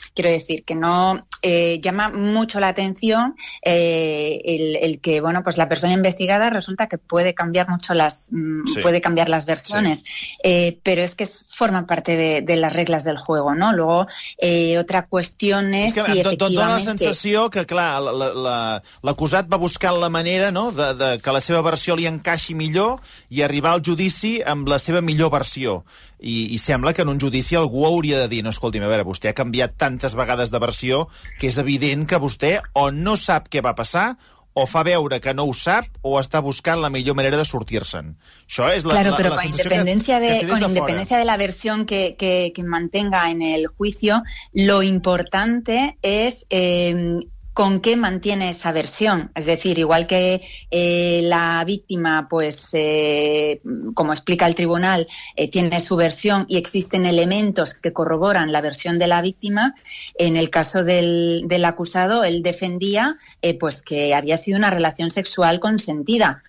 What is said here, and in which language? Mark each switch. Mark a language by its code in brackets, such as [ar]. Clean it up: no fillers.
[es] Quiero decir que no llama mucho la atención el que, bueno, pues la persona investigada resulta que puede cambiar mucho puede cambiar las versiones, pero es que forma parte de las reglas del juego, ¿no? Luego, otra cuestión es que, si efectivamente... [ca] Es que dona la sensación que, claro, l'acusat va buscant la manera, no?, de que la seva versió li encaixi millor i arribar al judici amb la seva millor versió. I sembla que en un judici algú hauria de dir, no, escolti'm, a veure, vostè ha canviat tantes vegades de versió que és evident que vostè o no sap què va passar o fa veure que no ho sap o està buscant la millor manera de sortir-se'n. Això és la sensació estic des de fora. [es] Claro, pero con independencia de la versión que mantenga en el juicio, lo importante es... ¿con qué mantiene esa versión? Es decir, igual que la víctima, pues, como explica el tribunal, tiene su versión y existen elementos que corroboran la versión de la víctima, en el caso del acusado, él defendía pues que había sido una relación sexual consentida.